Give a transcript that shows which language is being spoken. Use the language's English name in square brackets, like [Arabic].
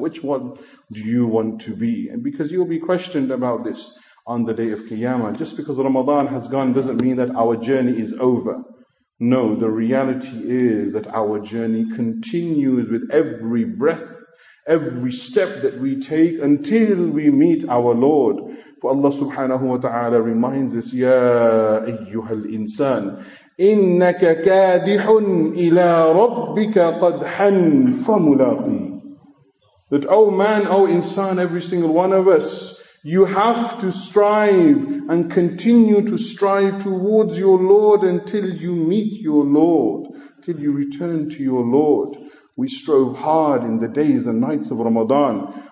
[English] Which one do you want to be? And because you'll be questioned about this on the day of Qiyamah, just because Ramadan has gone doesn't mean that our journey is over. No, the reality is that our journey continues with every breath, every step that we take until we meet our Lord. For Allah subhanahu wa ta'ala reminds us, Ya ayyuhal insan, [Arabic] إنك كادح إلى ربك قدحا فملاقي. [English] That oh man, oh insan, every single one of us, you have to strive and continue to strive towards your Lord until you meet your Lord, till you return to your Lord. We strove hard in the days and nights of Ramadan.